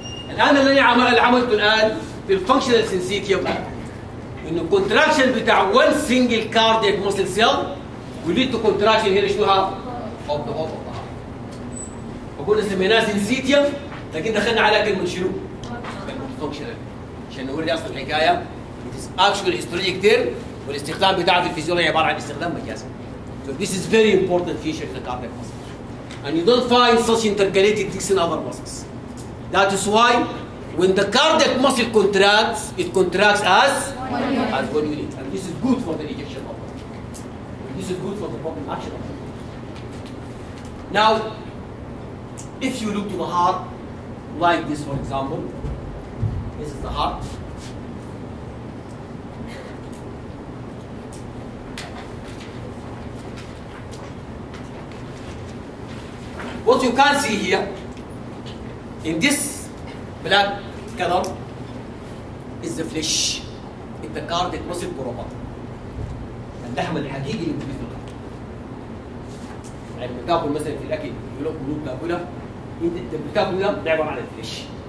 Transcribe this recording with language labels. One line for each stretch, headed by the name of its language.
Arabic: الآن اللي عملته الآن في
English: الفانكشنال سنسيتيم إنه الكونتراكشن بتاع one single cardiac muscle cell will lead to contraction here,
Arabic: شنو هاف؟
English: of the whole of the heart.
Arabic: فكنا سميناها سنسيتيم, لكن دخلنا على كلمة شنو؟ كلمة فانكشنال. عشان نوري أصل الحكاية,
English: it is actually historic term,
Arabic: والاستخدام بتاعه في الفيزيولوجيا عبارة عن استخدام مجازي.
English: So this is very important feature in the cardiac muscle. And you don't find such intercalated discs in other muscles. That is why when the cardiac muscle contracts, it contracts as one unit. And this is good for the ejection. This is good for them. problem action. Now, if you look to the heart, like this for example, this is the heart. What you can see here, in this black color, is the flesh. It's the cardiac muscle group.
Arabic: اللحم الحقيقي اللي في القلب. يعني بتاكل مثلا في الاكل يقولوا قلوب تاكلها انت بتاكل ده ده عباره عن الفليش.